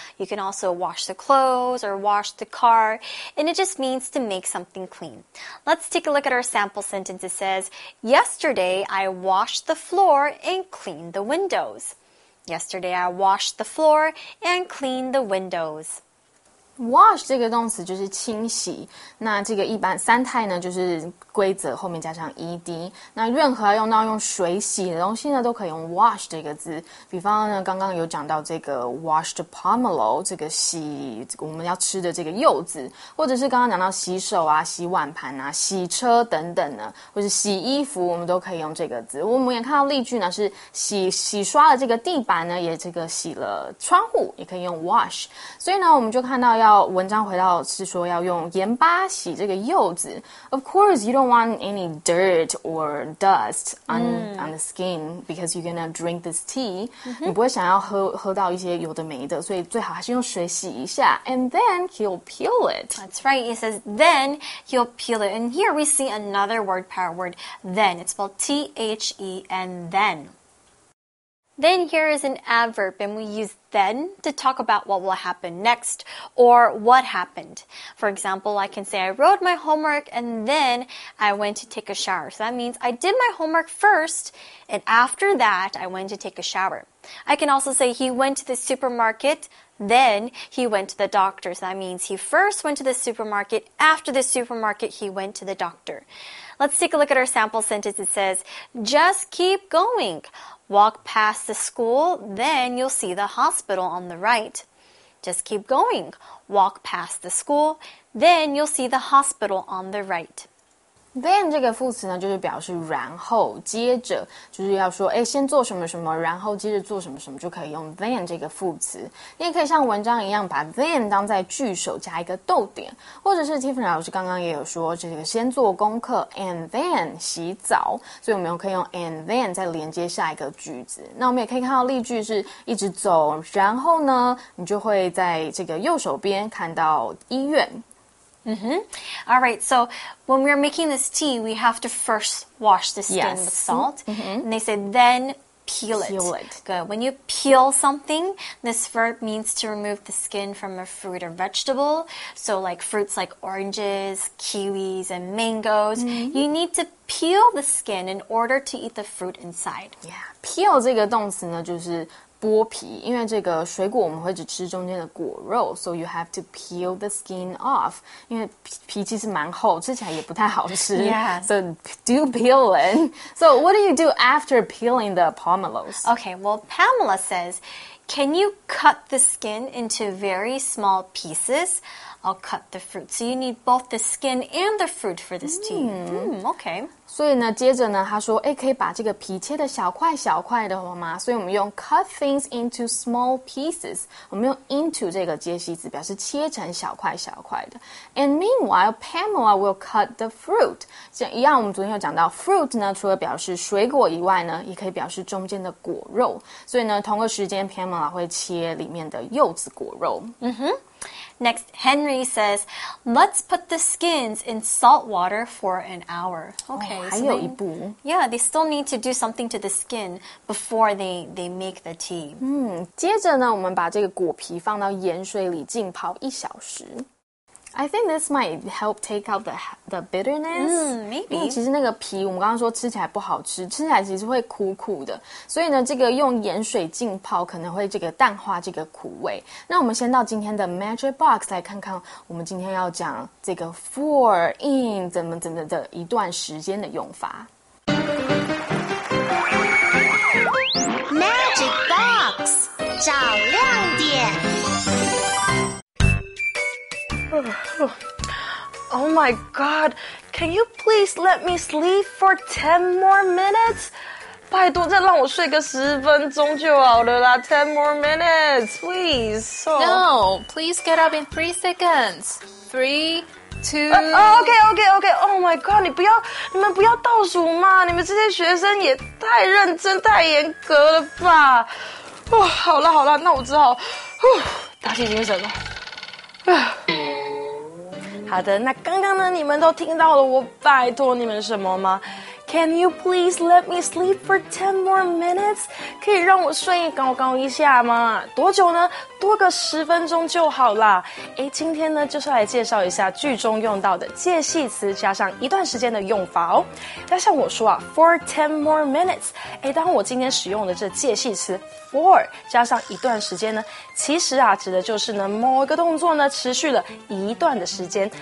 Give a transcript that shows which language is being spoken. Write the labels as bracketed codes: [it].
[en] You can also wash the clothes or wash the car. And it just means to make something clean. Let's take a look at our sample sentence. It says, yesterday I washed the floor and cleaned the windows. Yesterday I washed the floor and cleaned the windows. [zh] Wash 这个动词就是清洗，那这个一般三态呢就是规则后面加上 ed， 那任何用到用水洗的东西呢都可以用 wash 这个字。比方呢刚刚有讲到这个 washed pomelo， 这个洗我们要吃的这个柚子，或者是刚刚讲到洗手啊、洗碗盘啊、洗车等等呢，或是洗衣服，我们都可以用这个字。我们也看到例句呢是洗刷了这个地板呢，也这个洗了窗户，也可以用 wash。所以呢我们就看到要文章回到是说要用盐巴洗这个柚子。 [en] Of course, you don't want any dirt or dust on the skin because you're gonna drink this tea. [zh] 你不会想要喝到一些有的没的，所以最好还是用水洗一下。 [en] And then he'll peel it. That's right. It says then he'll peel it. And here we see another word, power word, then. It's spelled T-H-E-N, then. Then here is an adverb, and we use then to talk about what will happen next or what happened. For example, I can say I wrote my homework and then I went to take a shower. So that means I did my homework first and after that I went to take a shower. I can also say he went to the supermarket, then he went to the doctor. So that means he first went to the supermarket, after the supermarket he went to the doctor. Let's take a look at our sample sentence. It says, just keep going. Walk past the school, then you'll see the hospital on the right. Just keep going. Walk past the school, then you'll see the hospital on the right. [zh] Then 这个副词呢，就是表示然后、接着，就是要说，先做什么什么，然后接着做什么什么，就可以用 then 这个副词。你也可以像文章一样，把 then 当在句首加一个逗点，或者是 Tiffany 老师刚刚也有说，这个先做功课 and then 洗澡，所以我们可以用 and then 再连接下一个句子。那我们也可以看到例句是一直走，然后呢，你就会在这个右手边看到医院。 [en] All right, so when we're making this tea, we have to first wash the skin with salt. And they say then peel it. Good. When you peel something, this verb means to remove the skin from a fruit or vegetable. So like fruits like oranges, kiwis, and mangoes, you need to peel the skin in order to eat the fruit inside. [zh] Yeah, peel 这个动词呢就是剥皮，因为这个水果我们会只吃中间的果肉， [en] so you have to peel the skin off. [zh] 因为皮其实蛮厚，吃起来也不太好吃。 [en] Yeah. So do peel it. So what do you do after peeling the pomelos? Okay, well Pamela says, can you cut the skin into very small pieces? I'll cut the fruit. So you need both the skin and the fruit for this tea. Okay. [zh] 所以呢接着呢他说可以把这个皮切的小块小块的吗，所以我们用 [en] cut things into small pieces， [zh] 我们用 into 这个介系词表示切成小块小块的。 [en] And meanwhile Pamela will cut the fruit， [zh] 像一样我们昨天有讲到 fruit 呢除了表示水果以外呢也可以表示中间的果肉，所以呢同个时间 Pamela 会切里面的柚子果肉。 [en] Next, Henry says, let's put the skins in salt water for an hour. Okay, so [zh] 还有一步。 [en] Yeah, they still need to do something to the skin before they make the tea. [zh] 接着呢，我们把这个果皮放到盐水里浸泡一小时。 [en] I think this might help take out the bitterness. Maybe. [zh] 其实那个皮我们刚刚说吃起来不好吃，吃起来其实会苦苦的。所以呢这个用盐水浸泡可能会这个淡化这个苦味。那我们先到今天的 Magic Box 来看看我们今天要讲这个 for in 怎么的一段时间的用法。 Magic Box. 找亮点。 [en] Oh my God, can you please let me sleep for 10 more minutes? [zh] 拜托再让我睡个十分钟就好了啦 [en] 10 more minutes, please. No, please get up in 3 seconds. 3, 2, okay. Oh my God, [zh] 你们不要倒数嘛，你们这些学生也太认真太严格了吧。好啦好啦，那我只好打起精神了。好的，那刚刚呢你们都听到了我拜托你们什么吗？ [en] Can you please let me sleep for 10 more minutes? [zh] 可以让我睡高高一下吗？多久呢？多个十分钟就好啦。诶，今天呢就是来介绍一下剧中用到的介系词加上一段时间的用法哦。要像我说啊 [en] for 10 more minutes, [zh] 诶，当我今天使用的这介系词for 加上一段时间呢，其实啊指的就是呢某一个动作呢持续了一段的时间。